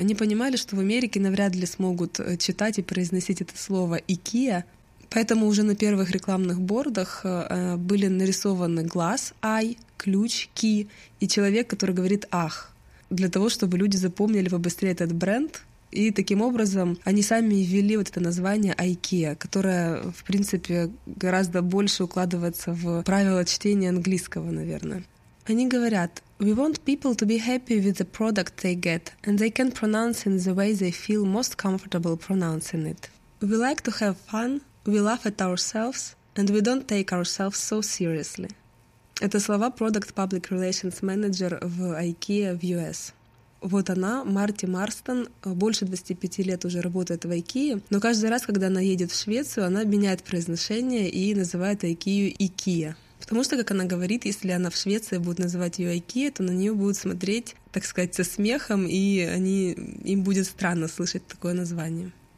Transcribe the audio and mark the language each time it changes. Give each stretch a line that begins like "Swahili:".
Russian: Они понимали, что в Америке навряд ли смогут читать и произносить это слово IKEA, поэтому уже на первых рекламных бордах были нарисованы глаз «ай», ключ «ки» и человек, который говорит «ах», для того, чтобы люди запомнили побыстрее этот бренд. И таким образом они сами ввели вот это название IKEA, которое, в принципе, гораздо больше укладывается в правила чтения английского, наверное. Они говорят:
English: «We want people to be happy with the product they get, and they can pronounce in the way they feel most comfortable pronouncing it. We like to have fun, we laugh at ourselves, and we don't take ourselves so seriously».
Russian: Это слова Product Public Relations Manager в IKEA в US. Вот она, Марти Марстон, больше 25 лет уже работает в IKEA, но каждый раз, когда она едет в Швецию, она меняет произношение и называет IKEA IKEA. Потому что, как она говорит, если она в Швеции будет называть ее IKEA, то на нее будут смотреть, так сказать, со смехом, и им будет странно слышать такое название.